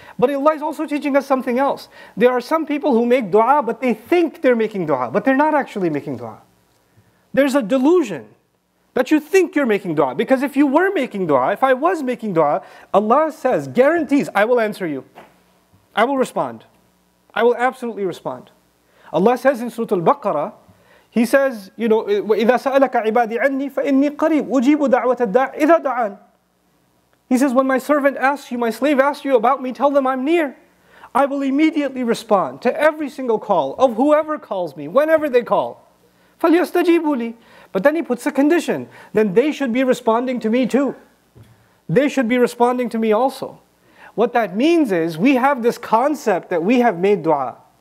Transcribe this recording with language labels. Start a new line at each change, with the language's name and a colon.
English: But Allah is also teaching us something else. There are some people who make dua, but they think they're making dua, but they're not actually making dua. There's a delusion that you think you're making dua. Because if you were making dua, if I was making dua, Allah says, guarantees, I will answer you. I will respond. I will absolutely respond. Allah says in Surah Al-Baqarah, He says, you know,
Arabic: وَإِذَا سَأَلَكَ عِبَادِي عَنِّي فَإِنِّي قَرِيبُ أُجِيبُ دَعْوَةَ الدَّاعِ إِذَا دَعَانِ.
English: He says, when my servant asks you, my slave asks you about me, tell them I'm near. I will immediately respond to every single call of whoever calls me, whenever they call.
Arabic: فَلْيَسْتَجِيبُ لِي.
English: But then he puts a condition. Then they should be responding to me too. They should be responding to me also. What that means is, we have this concept that we have made dua.